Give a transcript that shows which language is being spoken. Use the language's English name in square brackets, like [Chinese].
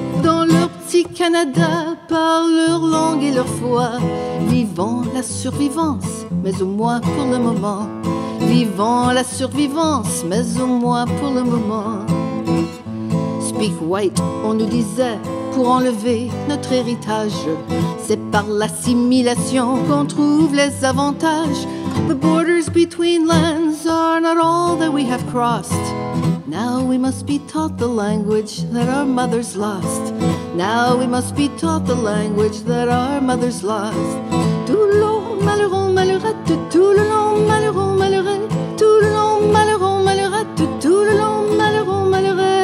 [French] Dans leur petit Canada, par leur langue et leur foi, vivant la survivance, mais au moins pour le moment. Vivant la survivance, mais au moins pour le moment. [English] Speak white, [French] on nous disait, pour enlever notre héritage. C'est par l'assimilation qu'on trouve les avantages. [English] The borders between lands are not all that we have crossed. Now we must be taught the language that our mothers lost. Now we must be taught the language that our mothers lost. [French] Tout le long, malheureux, malheurette, tout le long, malheureux, malheureux. Tout le long, malheureux, malheureux, tout le long, malheureux, malheureux.